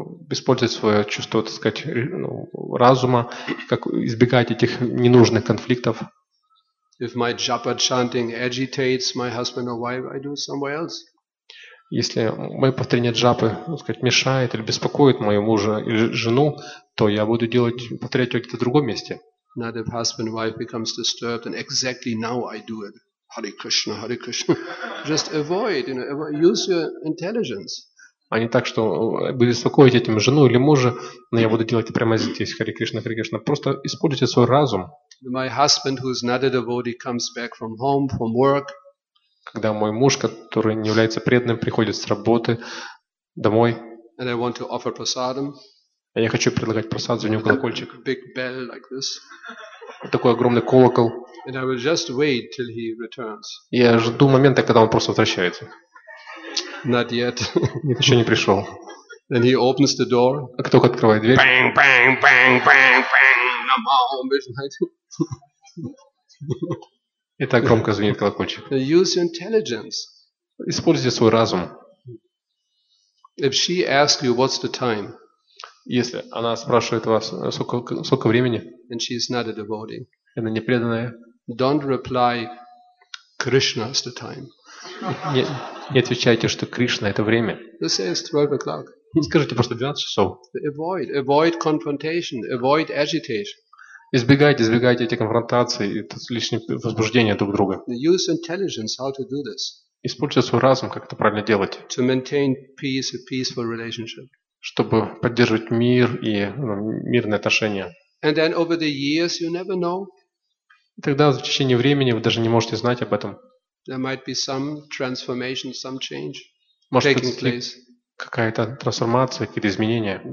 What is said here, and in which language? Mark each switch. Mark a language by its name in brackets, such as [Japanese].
[Russian] Использовать свое чувство, так сказать, разума, как избегать этих ненужных конфликтов. [English] If my japa chanting agitates my husband or wife, I do somewhere else. [Russian] Если мое повторение джапы, так сказать, мешает или беспокоит моего мужа или жену, то я буду делать, повторять ее где-то в другом месте. [English] Not if husband and wife becomes disturbed, and exactly now I do it. Hare Krishna, Hare Krishna. Just avoid, you know, use your intelligence. [Russian] А не так, что вы беспокоите этим жену или мужа, но я буду делать прямо здесь, Hare Krishna, Hare Krishna. Просто используйте свой разум. [English] My husband, who is not a devotee, comes back from home, from work. [Russian] Когда мой муж, который не является преданным, приходит с работы домой, [English] and I want to offer prasadam, [Russian] а я хочу предлагать прасад, звеню колокольчик, [English] big bell like this, [Russian] такой огромный колокол, [English] and I will just wait till he returns. [Russian] Я жду момента, когда он просто возвращается. [English] Not yet. [Russian] Нет, еще не пришел. [English] Then he opens the door. [Russian] А кто открывает дверь? [English] Bang, bang, bang, bang, bang, namo Vishnu. [Russian] И так громко звенит колокольчик. [English] Use your intelligence. [Russian] Используйте свой разум. [English] If she asks you, what's the time? [Russian] Если она спрашивает вас, сколько времени? [English] And she is not a devotee. [Russian] Она не преданная. [English] Don't reply, Krishna's the time. [Russian] Не отвечайте, что Кришна это время. [English] Just say it's 12 o'clock. [Russian] Скажите просто 12 часов. [English] Avoid confrontation. Avoid agitation. [Russian] Избегайте эти конфронтации и лишнее возбуждение друг друга. [English] Use intelligence how to do this. [Russian] Используйте свой разум, как это правильно делать. [English] To maintain peace, a peaceful relationship. [Russian] Чтобы поддерживать мир и мирные отношения. [English] And then over the years you never know. [Russian] Тогда в течение времени вы даже не можете знать об этом. [English] There might be some transformation, some change taking place. [Russian] Какая-то трансформация, какие-то изменения.